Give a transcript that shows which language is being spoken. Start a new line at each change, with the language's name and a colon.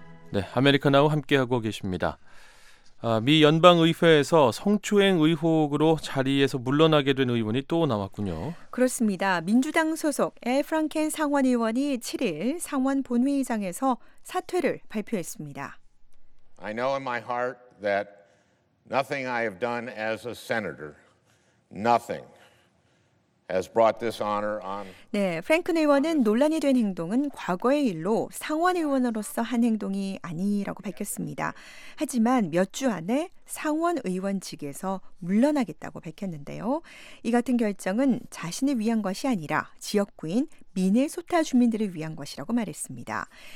Korean: 네, 아메리카나우 함께하고 계십니다. 아, 미 연방의회에서 성추행 의혹으로 자리에서 물러나게 된 의원이 또 나왔군요. 그렇습니다. 민주당 소속 엘 프랑켄 상원의원이 7일 상원 본회의장에서 사퇴를 발표했습니다.
English: I know in my heart that nothing I have done as a senator, nothing. has brought this honor on.
Korean: 네, 프랭크 의원은 논란이 된 행동은 과거의 일로 상원 의원으로서 한 행동이 아니라고 밝혔습니다. 하지만 몇 주 안에 상원 의원직에서 물러나겠다고 밝혔는데요. 이 같은 결정은 자신을 위한 것이 아니라 지역구인 미네소타 주민들을 위한 것이라고 말했습니다.